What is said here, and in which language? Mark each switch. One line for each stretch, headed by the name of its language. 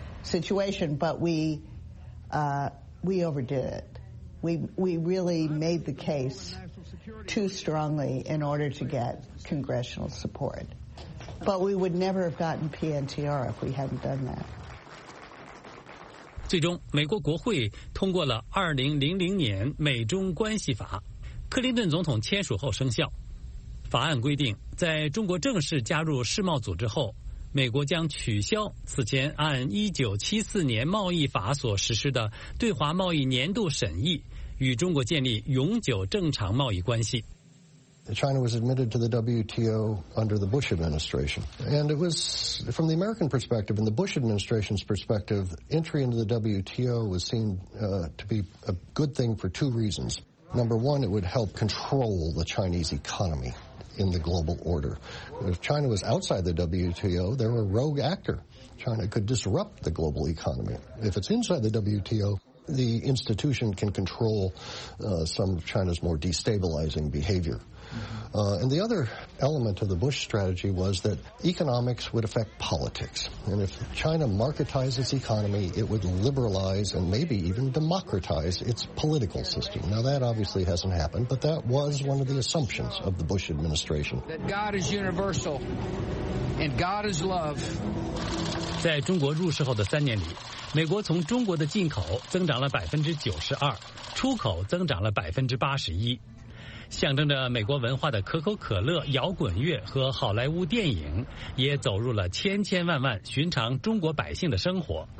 English: situation, but we overdid it. We really made the case too strongly in order to get congressional support. But we would never have gotten PNTR if we hadn't done that.
Chinese: 最终，美国国会通过了2000年美中关系法，克林顿总统签署后生效。法案规定，在中国正式加入世贸组织后。美国将取消此前按1974年贸易法所实施的对华贸易年度审议，与中国建立永久正常贸易关系。
English: China was admitted to the WTO under the Bush administration. And it was, from the American perspective and the Bush administration's perspective, entry into the WTO was seen, to be a good thing for two reasons. Number one, it would help control the Chinese economy. In the global order. If China was outside the WTO, they're a rogue actor. China could disrupt the global economy. If it's inside the WTO, the institution can control some of China's more destabilizing behavior. And the other element of the Bush strategy was that economics would affect politics. And if China marketized its economy, it would liberalize and maybe even democratize its political system. Now, that obviously hasn't happened, but that was one of the assumptions of the Bush administration. That God is universal and God is love.
Chinese: 在中国入世后的三年里，美国从中国的进口增长了92%，出口增长了81%。象征着美国文化的可口可乐、摇滚乐和好莱坞电影，也走入了千千万万寻常中国百姓的生活。